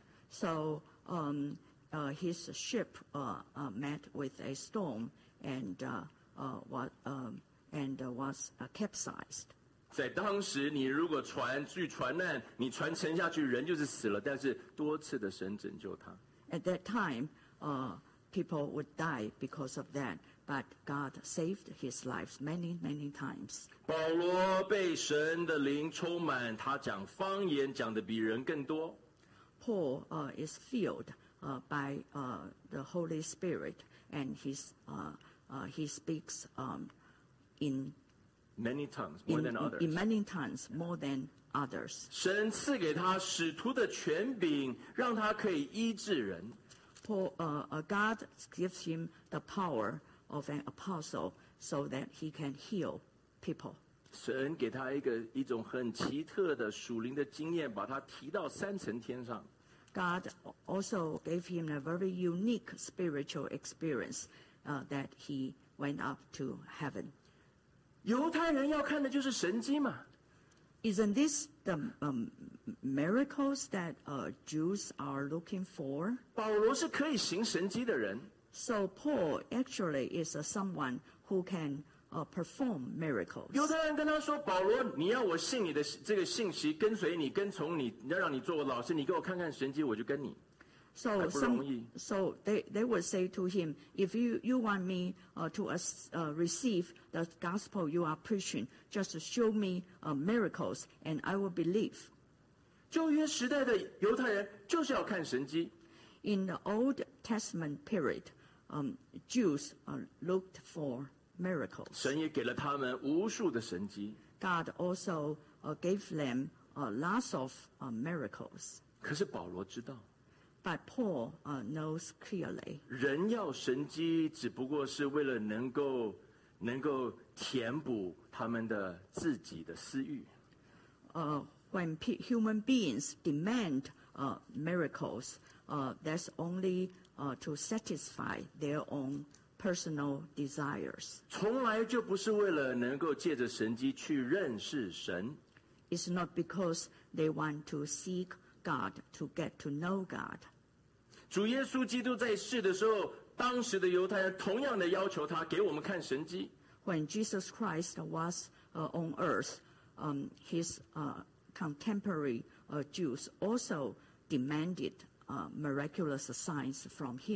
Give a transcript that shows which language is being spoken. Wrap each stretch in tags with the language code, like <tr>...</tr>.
<en>So his ship met with a storm and was capsized.</en> <zh>在当时，你如果船遇船难， 你船沉下去，人就是死了， 但是多次的神拯救他。</zh> <en>At that time, people would die because of that. But God saved his life many, many times.</en> <zh>保罗被神的灵充满, 他讲方言, 讲得比人更多。</zh> <en>Paul is filled by the Holy Spirit, and he speaks in many tongues, more than others. In many tongues, more than others.</en> <zh>神赐给他使徒的权柄, 让他可以医治人。</zh> <en>Paul, God gives him the power of an apostle so that he can heal people.</en> <zh>神给他一种很奇特的属灵的经验, 把他提到三层天上。</zh> <en>God also gave him a very unique spiritual experience that he went up to heaven.</en> <zh>犹太人要看的就是神迹嘛。</zh> <en>Isn't this the miracles that Jews are looking for?</en> <zh>保罗是可以行神迹的人。</zh> <en>So Paul actually is someone who can perform miracles.</en> <zh>犹太人跟他说，保罗，你要我信你的这个信息，跟随你，跟从你，要让你做我老师，你给我看看神迹，我就跟你。</zh> <en>So they would say to him, if you want me to receive the gospel you are preaching, just show me miracles and I will believe.</en> <zh>旧约时代的犹太人就是要看神迹。</zh> <en>In the Old Testament period, Jews looked for miracles.</en> <zh>神也给了他们无数的神迹。</zh> <en>God also gave them lots of miracles.</en> <zh>可是保罗知道。</zh> <en>But Paul knows clearly.</en> <zh>人要神迹，只不过是为了能够填补他们的自己的私欲。</zh> <en>When human beings demand miracles, that's only to satisfy their own personal desires.</en> <zh>从来就不是为了能够借着神迹去认识神。</zh> <en>It's not because they want to seek God, to get to know God.</en> <zh>主耶稣基督在世的时候，当时的犹太人同样的要求他给我们看神迹。</zh> <en>When Jesus Christ was on earth, his contemporary Jews also demanded miraculous signs from him.</en>